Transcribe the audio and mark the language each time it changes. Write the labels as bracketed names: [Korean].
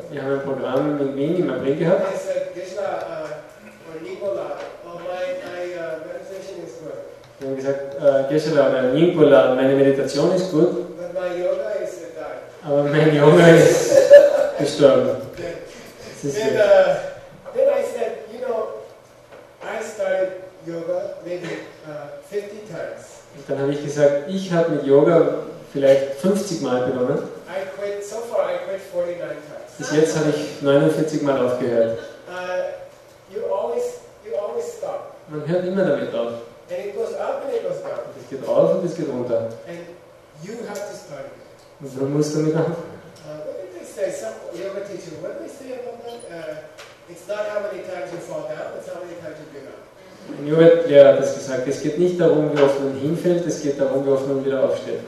[German] Wir haben ein Programm in Wien im April gehabt. [English] I said, Geshla, or Nicola, or my meditation is good. [German] Wir haben gesagt, Geshla oder Nicola, meine Meditation ist gut. [English] But my yoga is dead. [German] Aber mein Yoga ist gestorben. Das ist [English] and, then I said, you know, I started yoga maybe 50 times. [German] Und dann habe ich gesagt, ich habe mit Yoga vielleicht 50 Mal begonnen. [English] I quit, so far I quit 49 times. [German] Bis jetzt habe ich 49 Mal aufgehört. [English] You always stop. [German] Man hört immer damit auf. [English] And it goes up and it goes down. [German] Es geht rauf und es geht runter. [English] And you have to start. [German] Und warum musst du damit anfangen? [English] What did they say? Some yoga teacher, what did they say about that? It's not how many times you fall down, it's how many times you get up. [German] Ein Yoga-Lehrer hat das gesagt, es geht nicht darum, wie oft man hinfällt, es geht darum, wie oft man wieder aufsteht.